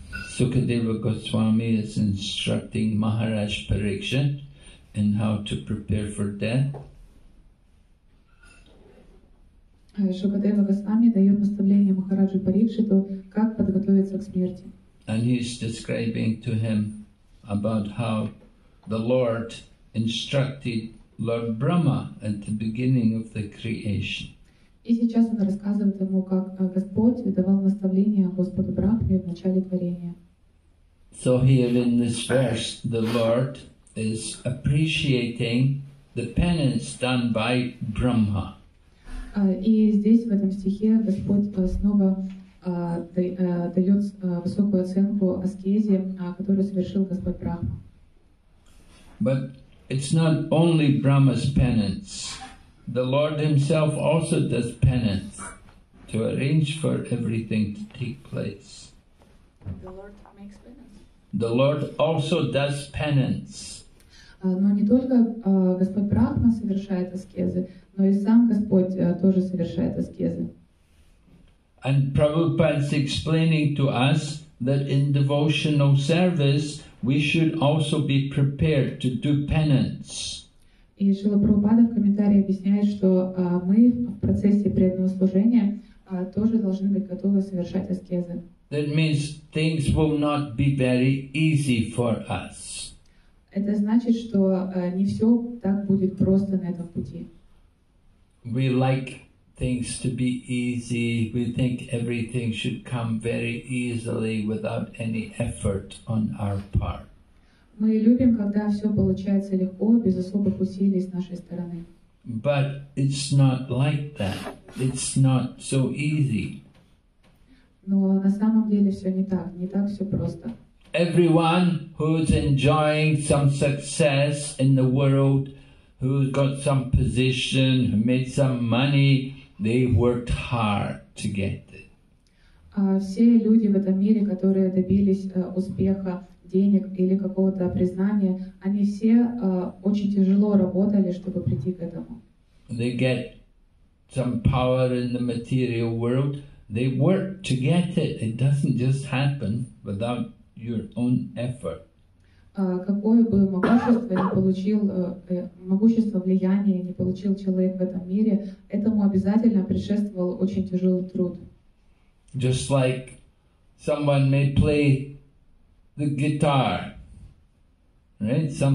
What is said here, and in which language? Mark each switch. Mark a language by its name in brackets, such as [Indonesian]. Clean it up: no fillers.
[English] Sukadeva Goswami is instructing Maharaj Parikshit in how to prepare for death. [Russian] Шукадева Госвами дает наставление Махараджу Парикшиту, как подготовиться к смерти. [English] And he's describing to him about how the Lord instructed Lord Brahma at the beginning of the creation. [Russian] И сейчас он рассказывает ему, как Господь давал наставление Господу Брахме в начале творения. [English] So here in this verse, the Lord is appreciating the penance done by Brahma. [Russian] И здесь, в этом стихе, Господь снова дает высокую оценку аскезе, которую совершил Господь Брахма. [English] But it's not only Brahma's penance. The Lord Himself also does penance to arrange for everything to take place. The Lord makes penance. The Lord also does penance. [Russian] Но не только Господь Брахма совершает аскезы, но и сам Господь тоже совершает аскезы. [English] And Prabhupada is explaining to us that in devotional service we should also be prepared to do penance. [Russian] И Шрила Прабхупада в комментарии объясняет, что мы в процессе преданного служения тоже должны быть готовы совершать аскезы. [English] That means things will not be very easy for us. [Russian] Это значит, что не все так будет просто на этом пути. [English] We like things to be easy. We think everything should come very easily without any effort on our part. [Russian] Мы любим, когда все получается легко, без особых усилий с нашей стороны. [English] But it's not like that. It's not so easy. [Russian] Но на самом деле все не так. Не так все просто. [English] Everyone who's enjoying some success in the world, who's got some position, who made some money, they worked hard to get it. [Russian] Все люди в этом мире, которые добились успеха, денег или какого-то признания, они все очень тяжело работали, чтобы прийти к этому. [English] They get some power in the material world. They work to get it. It doesn't just happen without your own effort. [Russian] Какое бы могущество не получил, могущество влияния не получил человек в этом мире, этому обязательно предшествовал очень тяжелый труд. [English] Just like someone may play the guitar, right?